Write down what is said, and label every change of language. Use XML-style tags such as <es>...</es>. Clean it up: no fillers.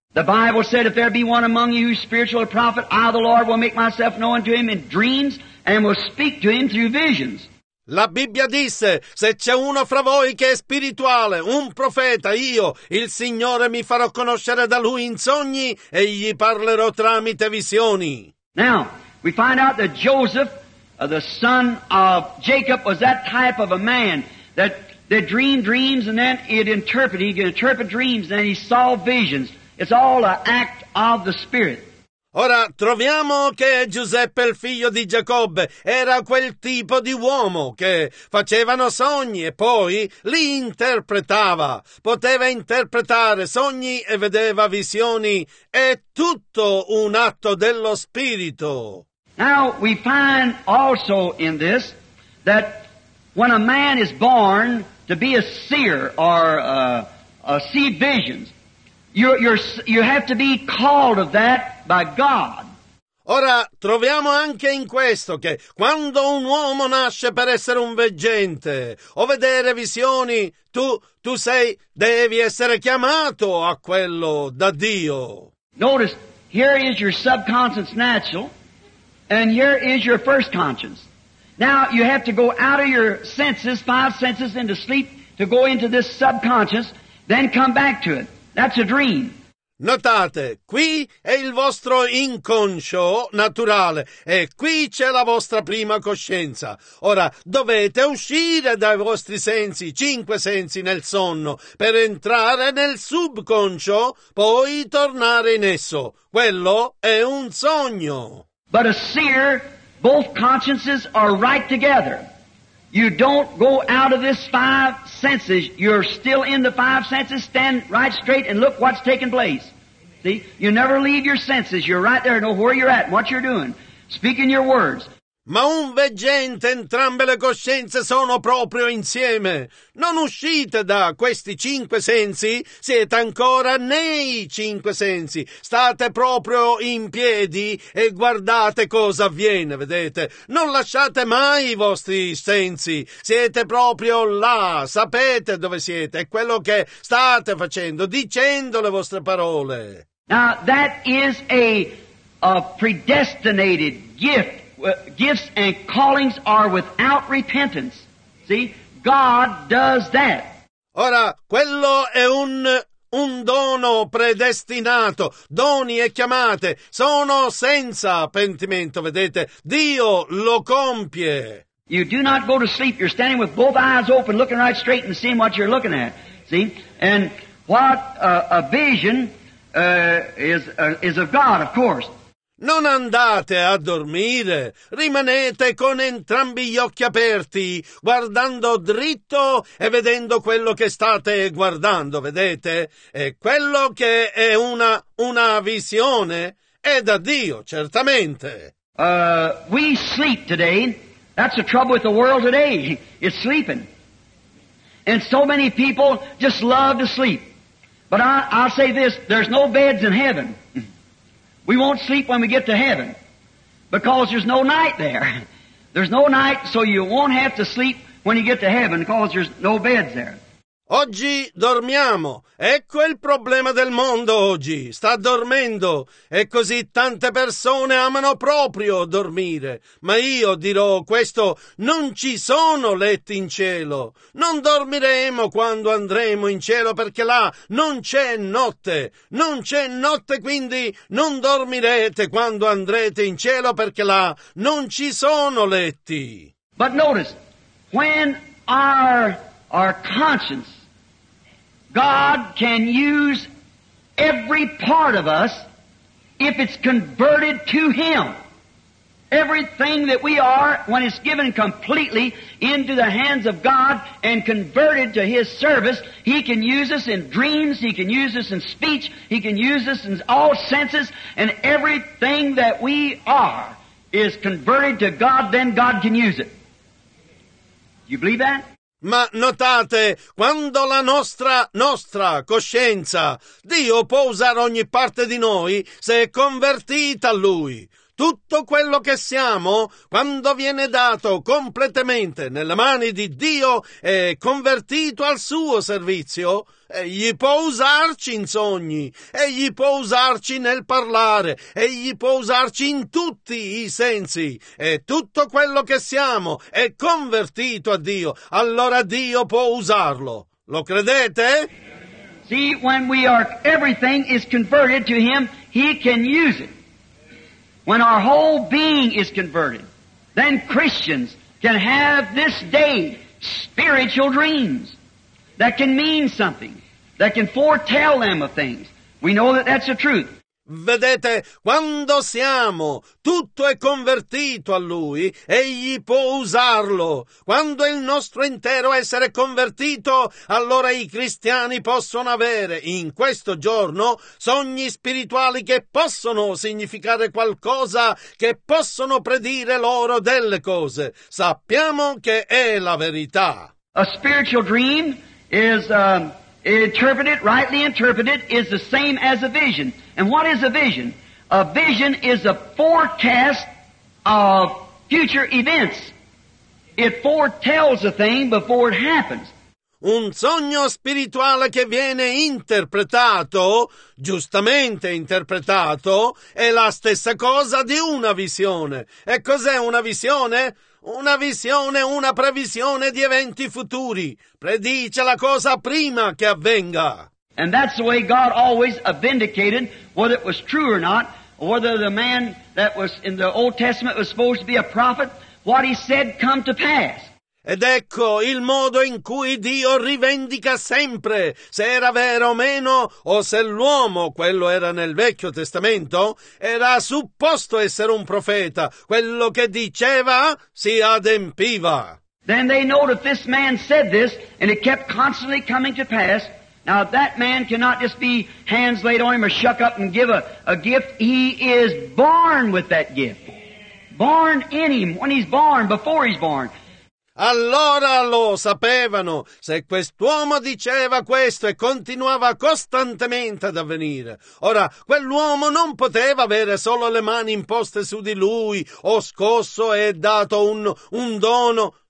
<en>The Bible said, if there be one among you spiritual prophet, I, the Lord, will make myself known to him in dreams and will speak to him through visions.</en> <it>La Bibbia disse, se c'è uno fra voi che è spirituale, un profeta, io, il Signore, mi farò conoscere da lui in sogni e gli parlerò tramite visioni.</it> <en>Now, we find out that Joseph the son of Jacob was that type of a man that they dreamed dreams and then he'd interpret. He could interpret dreams and then he saw visions. It's all an act of the Spirit.</en> <it>Ora, troviamo che Giuseppe, il figlio di Giacobbe, era quel tipo di uomo che facevano sogni e poi li interpretava. Poteva interpretare sogni e vedeva visioni. È tutto un atto dello Spirito.</it> <en>Now, we find also in this that when a man is born to be a seer or a see visions, you have to be called of that by God.</en> <it>Ora troviamo anche in questo che quando un uomo nasce per essere un veggente o vedere visioni, tu sei, devi essere chiamato a quello da Dio.</it> <en>Notice, here is your subconscious natural and here is your first conscience. Now you have to go out of your senses, five senses, into sleep to go into this subconscious, then come back to it. That's a dream.</en> <it>Notate, qui è il vostro inconscio naturale e qui c'è la vostra prima coscienza. Ora dovete uscire dai vostri sensi, cinque sensi nel sonno, per entrare nel subconscio, poi tornare in esso. Quello è un sogno.</it> <en>But a seer, both consciences are right together. You don't go out of this five senses. You're still in the five senses. Stand right straight and look what's taking place. See? You never leave your senses. You're right there. Know where you're at and what you're doing. Speaking your words.</en> <it>Ma un veggente, entrambe le coscienze sono proprio insieme. Non uscite da questi cinque sensi. Siete ancora nei cinque sensi. State proprio in piedi e guardate cosa avviene, vedete? Non lasciate mai i vostri sensi. Siete proprio là. Sapete dove siete. È quello che state facendo, dicendo le vostre parole.</it> <en>Now, that is a predestinated gift. Gifts and callings are without repentance. See? God does that.</en> <it>Ora, quello è un dono predestinato. Doni e chiamate sono senza pentimento, vedete? Dio lo compie.</it> <en>You do not go to sleep. You're standing with both eyes open, looking right straight and seeing what you're looking at. See? And what a vision is of God, of course.</en> <it>Non andate a dormire, rimanete con entrambi gli occhi aperti, guardando dritto e vedendo quello che state guardando, vedete? E quello che è una visione è da Dio, certamente.</it> <en>We sleep today. That's the trouble with the world today. It's sleeping. And so many people just love to sleep. But I'll say this, there's no beds in heaven. We won't sleep when we get to heaven because there's no night there. There's no night, so you won't have to sleep when you get to heaven because there's no beds there.</en> <it>Oggi dormiamo. Ecco il problema del mondo oggi. Sta dormendo. E così tante persone amano proprio dormire. Ma io dirò questo. Non ci sono letti in cielo. Non dormiremo quando andremo in cielo perché là non c'è notte. Non c'è notte, quindi non dormirete quando andrete in cielo perché là non ci sono letti.</it> <en>But notice, when our conscience, God can use every part of us if it's converted to Him. Everything that we are, when it's given completely into the hands of God and converted to His service, He can use us in dreams, He can use us in speech, He can use us in all senses, and everything that we are is converted to God, then God can use it. Do you believe that?</en> <it>Ma notate, quando la nostra coscienza, Dio può usare ogni parte di noi se è convertita a Lui. Tutto quello che siamo, quando viene dato completamente nelle mani di Dio e convertito al suo servizio, egli può usarci in sogni, egli può usarci nel parlare, egli può usarci in tutti i sensi. E tutto quello che siamo è convertito a Dio, allora Dio può usarlo. Lo credete?</it> <en>See, when we are, everything is converted to Him, He can use it. When our whole being is converted, then Christians can have this day spiritual dreams that can mean something, that can foretell them of things. We know that that's the truth.</en> <it>Vedete, quando siamo, tutto è convertito a Lui, Egli può usarlo. Quando il nostro intero essere è convertito, allora i cristiani possono avere, in questo giorno, sogni spirituali che possono significare qualcosa, che possono predire loro delle cose. Sappiamo che è la verità.</it> <en>A spiritual dream is... Interpreted, rightly interpreted, is the same as a vision. And what is a vision? A vision is a forecast of future events. It foretells a thing before it happens.</en> <it>Un sogno spirituale che viene interpretato, giustamente interpretato, è la stessa cosa di una visione. E cos'è una visione? Una visione, una previsione di eventi futuri. Predice la cosa prima che avvenga.</it> <en>And that's the way God always vindicated, whether it was true or not, whether the man that was in the Old Testament was supposed to be a prophet, what he said come to pass.</en> <it>Ed ecco il modo in cui Dio rivendica sempre se era vero o meno, o se l'uomo, quello era nel Vecchio Testamento, era supposto essere un profeta. Quello che diceva si adempiva.</it> <en>Then they know that this man said this, and it kept constantly coming to pass. Now that man cannot just be hands laid on him or shuck up and give a gift. He is born with that gift. Born in him, when he's born, before he's born.</en> <it>Allora lo sapevano, se quest'uomo diceva questo e continuava costantemente ad avvenire. Ora, quell'uomo non poteva avere solo le mani imposte su di lui, o scosso e dato un dono.</it>